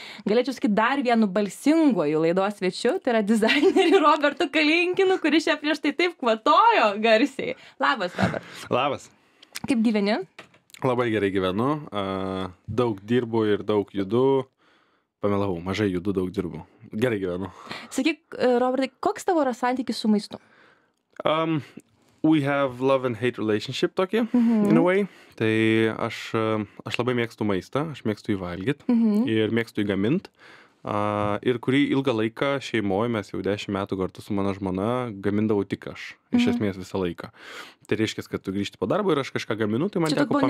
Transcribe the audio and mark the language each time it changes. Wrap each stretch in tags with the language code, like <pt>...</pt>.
<lt>Galėčiau sakyti dar vienu balsinguoju laidos svečiu, tai yra dizainerį Robertu Kalinkinu, kuris čia prieš tai taip kvatojo garsiai. Labas, Robert. Labas. Kaip gyveni? Labai gerai gyvenu, daug dirbu ir daug judu. Pamelavau, mažai judu, daug dirbu. Gerai gyvenu. Sakyk, Robertai, koks tavo yra santykis su maistu?</lt> <en>We have love and hate relationship</en> <lt>tokį,</lt> <en>in a way.</en> <lt>Tai aš labai mėgstu maistą, aš mėgstu jį valgyt ir mėgstu jį gamint. Ir kurį ilgą laiką šeimoje, mes jau 10 metų kartu su mano žmona, gamindavau tik aš, iš esmės visą laiką. Tai reiškia, kad tu grįžti po darbo ir aš kažką gaminu, tai man čia teko pamilti.</lt>